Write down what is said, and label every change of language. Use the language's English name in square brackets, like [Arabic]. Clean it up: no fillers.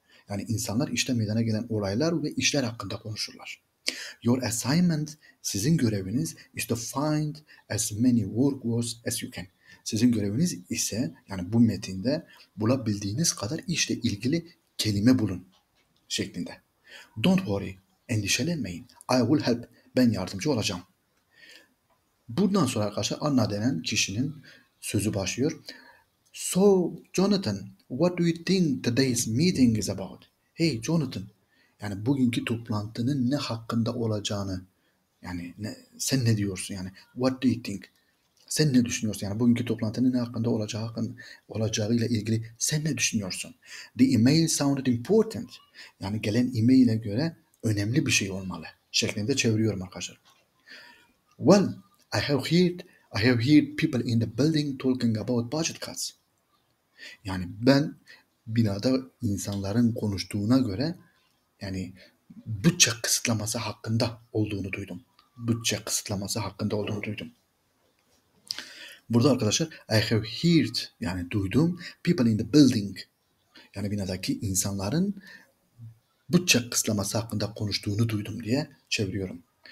[Turkish] Yani insanlar işte meydana gelen olaylar ve işler hakkında konuşurlar. [English] Your assignment, [Turkish] sizin göreviniz [English] is to find as many work words as you can. [Turkish] Sizin göreviniz ise yani bu metinde bulabildiğiniz kadar işle ilgili kelime bulun şeklinde. [English] Don't worry, [Turkish] endişelenmeyin. [English] I will help, [Turkish] ben yardımcı olacağım. Bundan sonra arkadaşlar Anna denen kişinin sözü başlıyor. [English] So, Jonathan, what do you think today's meeting is about? [Turkish] Hey, Jonathan, yani bugünkü toplantının ne hakkında olacağını, yani sen ne diyorsun yani? [English] What do you think? [Turkish] Sen ne düşünüyorsun yani bugünkü toplantının ne hakkında olacağıyla ilgili sen ne düşünüyorsun? [English] The email sounded important. [Turkish] Yani gelen e-maile göre önemli bir şey olmalı şeklinde çeviriyorum arkadaşlar. [English] Well, I have heard people in the building talking about budget cuts. [Turkish] Yani ben binada insanların konuştuğuna göre yani bütçe kısıtlaması hakkında olduğunu duydum. Bütçe kısıtlaması hakkında olduğunu duydum. Burada arkadaşlar [English] I have heard [Turkish] yani duydum [English] people in the building [Turkish] yani binadaki insanların bütçe kısıtlaması hakkında konuştuğunu duydum diye çeviriyorum.